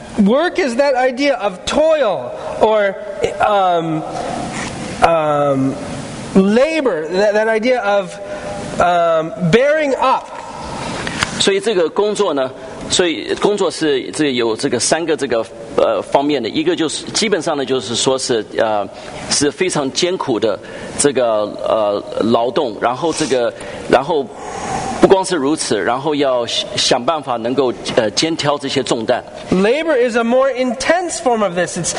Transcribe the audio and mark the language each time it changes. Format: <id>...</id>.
<en>Work is that idea of toil or labor, that idea of bearing up.</en> <zh>所以这个工作呢。所以工作是有这个三个这个方面的，一个就是基本上呢就是说是非常艰苦的这个劳动，然后不光是如此，然后要想办法能够肩挑这些重担。</zh> <en>Labor is a more intense form of this.</en>